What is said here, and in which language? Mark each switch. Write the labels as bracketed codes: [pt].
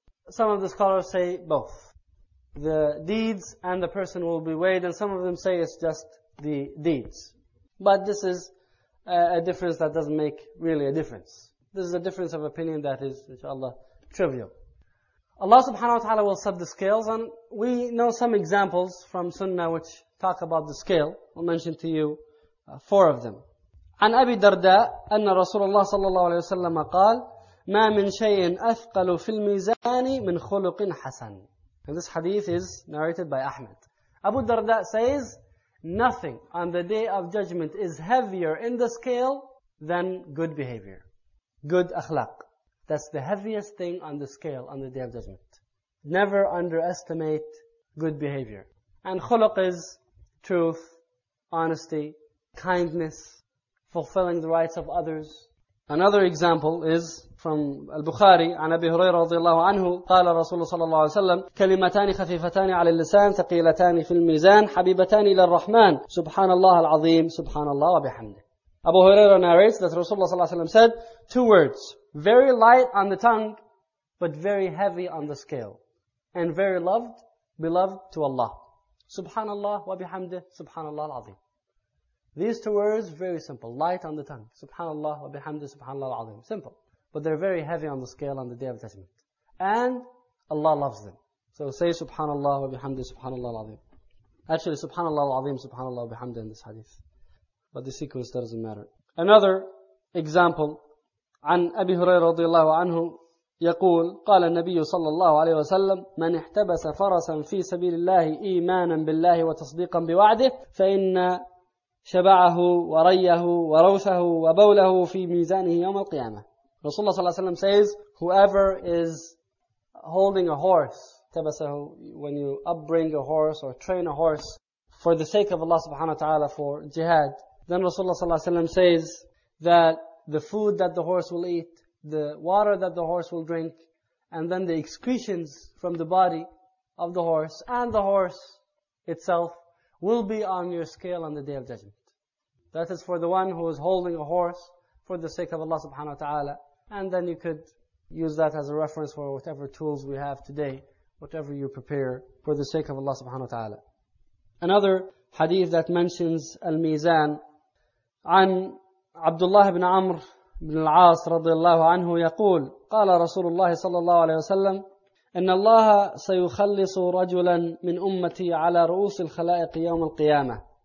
[en] Some of the scholars say both. The deeds and the person will be weighed, and some of them say it's just the deeds. But this is a difference that doesn't make really a difference. This is a difference of opinion that is, inshallah, trivial. Allah subhanahu wa ta'ala will set the scales, and we know some examples from Sunnah which talk about the scale. I'll mention to you four of them. [ar] عن أبي درداء أن رسول الله صلى الله عليه وسلم قال ما من شيء أثقل في الميزان من خلق حسن. [en] And this hadith is narrated by Ahmed. Abu Darda says, nothing on the day of judgment is heavier in the scale than good behavior. Good akhlaq. That's the heaviest thing on the scale on the day of judgment. Never underestimate good behavior. And khuluq is truth, honesty, kindness, fulfilling the rights of others. Another example is from Al-Bukhari, [ar] عن أبي هريرة رضي الله عنه قال رسول صلى الله عليه وسلم كلمتان خفيفتان على اللسان ثقيلتان في الميزان حبيبتان إلى الرحمن سبحان الله العظيم سبحان الله وبحمده. [en] Abu Huraira narrates that Rasulullah sallallahu alaihi wasallam said, two words, very light on the tongue, but very heavy on the scale, and very loved, beloved to Allah. [ar] Subhanallah wa bihamdih, subhanallah al-azim. [en] These two words, very simple, light on the tongue. [ar] Subhanallah wa bihamdih, subhanallah al-azim. [en] Simple. But they're very heavy on the scale on the day of judgment. And Allah loves them. So say [ar] subhanallah wa bihamdih, subhanallah al-azim. [en] Actually, [ar] subhanallah al-azim, subhanallah wa bihamdih [en] in this hadith. But the sequence doesn't matter. Another example, [ar] عن أبي هريرة رضي الله عنه يقول قال النبي صلى الله عليه وسلم من احتبس فرسا في سبيل الله إيمانا بالله وتصديقا بوعده فإن شبعه وريه وروثه وبوله في ميزانه يوم القيامة. [en] Rasulullah صلى الله عليه وسلم says, whoever is holding a horse, تبسه, when you upbring a horse or train a horse for the sake of Allah subhanahu wa ta'ala for jihad, then Rasulullah صلى الله عليه وسلم says that the food that the horse will eat, the water that the horse will drink, and then the excretions from the body of the horse and the horse itself will be on your scale on the day of judgment. That is for the one who is holding a horse for the sake of Allah subhanahu wa ta'ala. And then you could use that as a reference for whatever tools we have today, whatever you prepare for the sake of Allah subhanahu wa ta'ala. Another hadith that mentions al-mizan, [ar] عن عبد الله بن عمر بن العاص رضي الله عنه يقول قال رسول الله صلى الله عليه وسلم إن الله سيخلص رجلا من أمتي على رؤوس الخلائق يوم القيامة